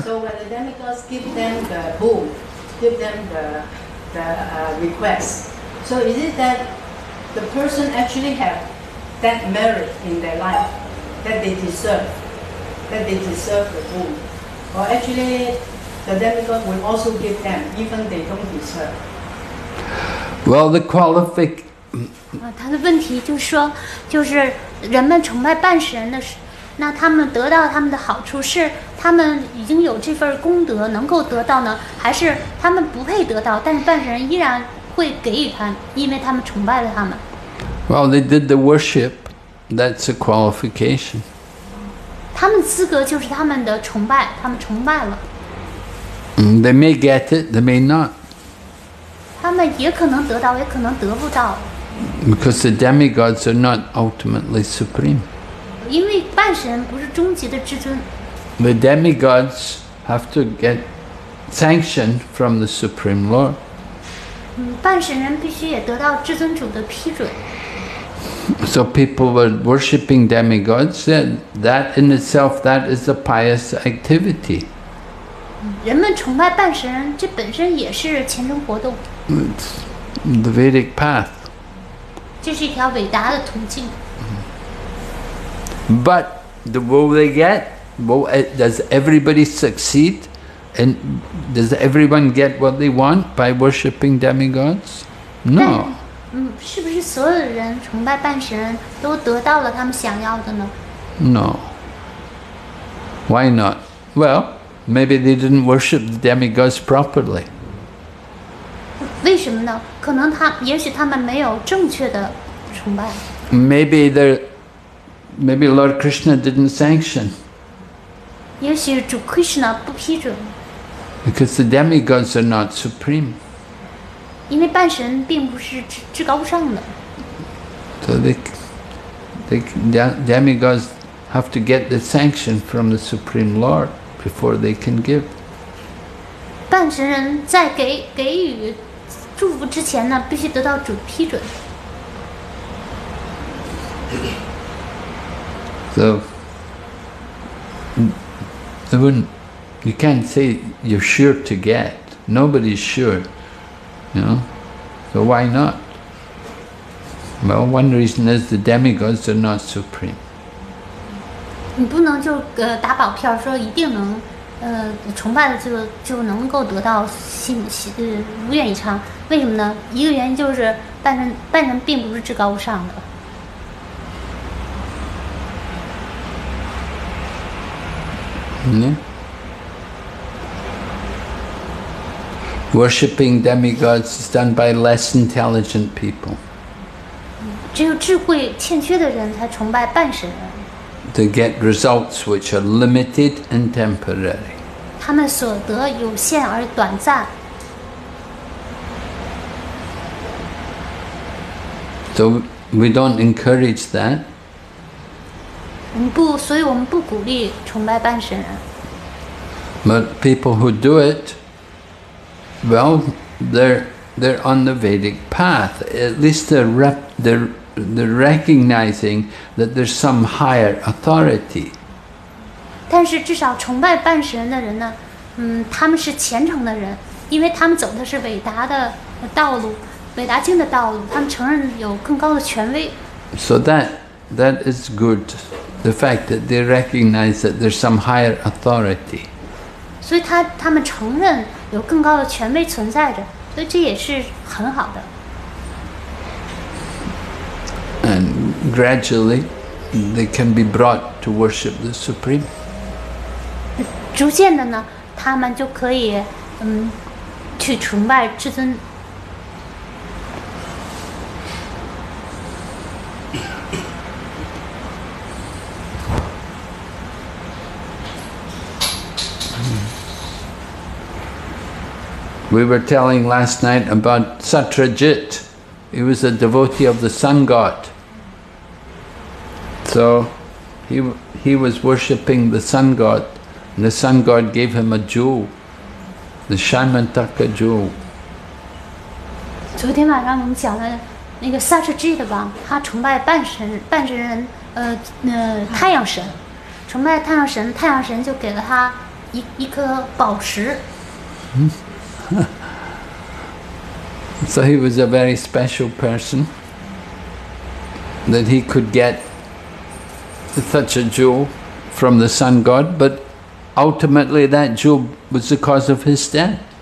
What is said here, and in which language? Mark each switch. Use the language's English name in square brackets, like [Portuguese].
[English] So when the demigods give them the boon, give them the request, so is it that the person actually have that merit in their life that they deserve the boon? Or actually the demigods will also give them even they don't deserve? Well, the qualification... [Chinese] 他的问题就是说，就是人们崇拜半神的，那他们得到他们的好处是他们已经有这份功德能够得到呢，还是他们不配得到，但是半神依然会给予他，因为他们崇拜了他们。 [English] Well, they did the worship. That's a qualification. [Chinese] 他们资格就是他们的崇拜，他们崇拜了。 [English] They may get it, they may not. [Chinese] 他们也可能得到，也可能得不到。 [English] Because the demigods are not ultimately supreme. [Chinese] 因为半神不是终极的至尊。 [English] The demigods have to get sanction from the Supreme Lord. [Chinese] 半神人必须也得到至尊主的批准。 [English] So people were worshipping demigods, and that in itself, that is a pious activity. [Chinese] 人们崇拜半神人，这本身也是虔诚活动。 [English] It's the Vedic path. [Chinese] 这是一条伟大的途径。 [English] But will they get? Does everybody succeed? And does everyone get what they want by worshipping demigods? No. [Chinese] 是不是所有的人崇拜半神都得到了他们想要的呢？ [English] No. Why not? Well, maybe they didn't worship the demigods properly. [Chinese] 为什么呢？可能他也许他们没有正确的崇拜。 [English] Maybe Lord Krishna didn't sanction. [Chinese] 也许主 Krishna 不批准。 [English] Because the demigods are not supreme. [Chinese] 因为半神并不是至高无上的。 [English] So the demigods have to get the sanction from the Supreme Lord before they can give. [Chinese] 半神人在给予祝福之前呢，必须得到主批准。 [English] So, you can't say you're sure to get. Nobody's sure, you know. So why not? Well, one reason is the demigods are not supreme. [Chinese] 你不能就打保票说一定能，崇拜的就能够得到如愿以偿。为什么呢？一个原因就是半神并不是至高无上的。 [English] Worshipping demigods is done by less intelligent people. [Chinese] 只有智慧欠缺的人才崇拜半神人。 [English] To get results which are limited and temporary. [Chinese] 他们所得有限而短暂。 [English] So we don't encourage that. [Chinese] 所以我们不鼓励崇拜半神人。 [English] But people who do it, well, they're on the Vedic path. At least they're recognizing that there's some higher authority. [Chinese] 但是至少崇拜半神的人呢，他们是虔诚的人，因为他们走的是伟大的道路，伟大经的道路，他们承认有更高的权威。 [English] So that is good, the fact that they recognize that there's some higher authority. [Chinese] 所以他们承认有更高的权威存在着，所以这也是很好的。 [English] And gradually, they can be brought to worship the Supreme. [Chinese] 逐渐的呢，他们就可以去崇拜至尊。 [English] We were telling last night about Satrajit. He was a devotee of the sun god. So he was worshipping the sun god, and the sun god gave him a jewel, the Shamantaka jewel. [Chinese] 昨天晚上我们讲的那个 Satrajit 吧，他崇拜半神人，太阳神，崇拜太阳神，太阳神就给了他一颗宝石。 [English] So he was a very special person that he could get such a jewel from the sun god, but ultimately that jewel was the cause of his death.